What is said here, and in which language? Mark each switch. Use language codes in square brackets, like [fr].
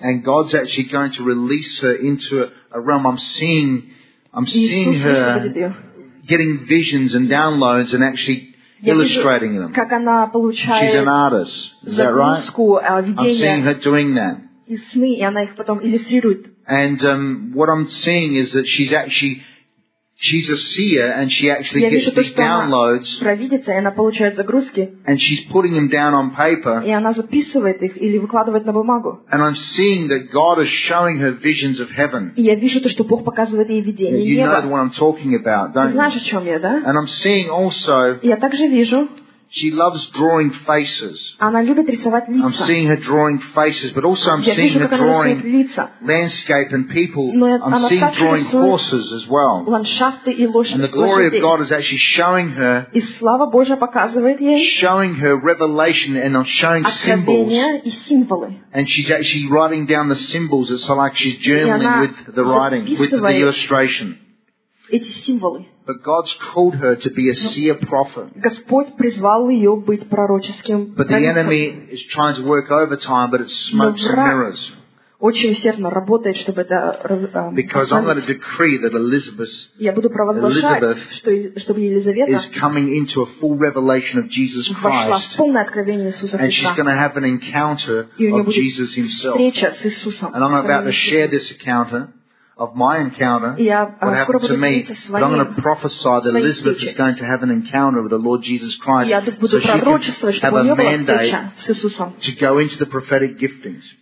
[en] And God's actually going to release her into a realm. I'm seeing her getting visions and downloads and actually illustrating them. [ru] Как она получает. [en] She's an artist. Is that right? I'm seeing her doing that. [ru] И сны, и она их потом иллюстрирует. [en] And what I'm seeing is that she's a seer and she actually gets these downloads. [ru] Провидится, и она получает загрузки. [en] And she's putting them down on paper. [ru] И она записывает их или выкладывает на бумагу. [en] And I'm seeing that God is showing her visions of heaven. [ru] И я вижу то, что Бог показывает ей видение неба. [en] You know what I'm talking about, don't you? [ru] Знаешь, о чем я, да? [en] And I'm seeing also. [ru] Я также вижу. [en] She loves drawing faces. [ru] Она любит рисовать лица. [en] I'm seeing her drawing faces, but also I'm seeing her drawing landscape and people. I'm seeing drawing horses as well. [ru] Ландшафты и лошади. [en] And the glory of God is actually showing her. [ru] И слава Божья показывает ей. [en] Showing her revelation and showing symbols. And she's actually writing down the symbols. It's like she's journaling with the writing, with the illustration. [ru] Эти символы. [en] But God's called her to be a seer prophet. [ru] Господь призвал ее быть пророческим. [en] But the enemy is trying to work overtime, but it's smokes and mirrors. [ru] Очень усердно работает, чтобы это. [en] Because I'm going to decree that Elizabeth. [ru] Я буду провозглашать, что чтобы Елизавета. [en] Is coming into a full revelation of Jesus Christ. [ru] Вошла в полное откровение Иисуса Христа. [en] And she's going to have an encounter of Jesus himself. [ru] Встреча с Иисусом. [en] And I'm about to share this encounter. Of my encounter, what happened to me, but I'm going to prophesy that Elizabeth is going to have an encounter with the Lord Jesus Christ, so she can have a mandate to go into the prophetic giftings.